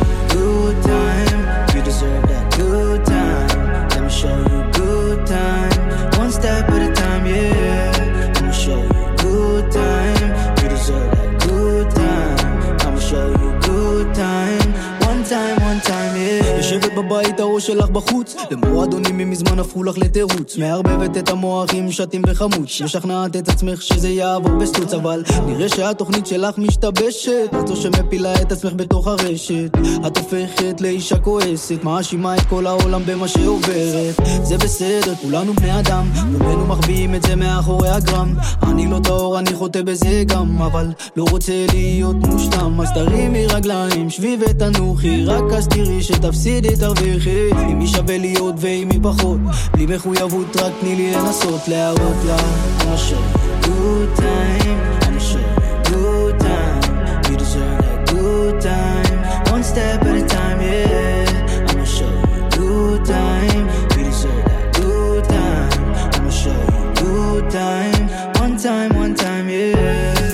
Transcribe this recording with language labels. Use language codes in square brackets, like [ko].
[en] Good time, let me show you good time You deserve that good time Let me show you good time One step at a time, yeah Let me show you good time You deserve that good time Let me show you good time [he] יושבת בבית הראש שלך בחוץ למועדונים ממזמן הפכו לך לתירוץ מערבבת את המוח עם שתים וחמוץ משכנעת את עצמך שזה יעבור בסטוץ אבל נראה שהתוכנית שלך משתבשת את זו שמפילה את עצמך בתוך הרשת את הופכת לאישה כועסת מאשימה את כל העולם במה שעוברת זה בסדר, כולנו בני אדם רובנו מחביאים את זה מאחורי הגרם אני לא טהור, אני חוטא בזה גם אבל לא רוצה להיות מושלם אז תרימי רגליים, שבי ותנוחי רק אז תראי שתפסידי תרוויחי אם מי שווה להיות ואם מי פחות בלי מחויבות רק תני לי לנסות להראות לה [en] I'm sure good time I'm sure good time You deserve that good time One step at a time, yeah I'm sure good time You deserve that good time I'm sure good time One time, one time, yeah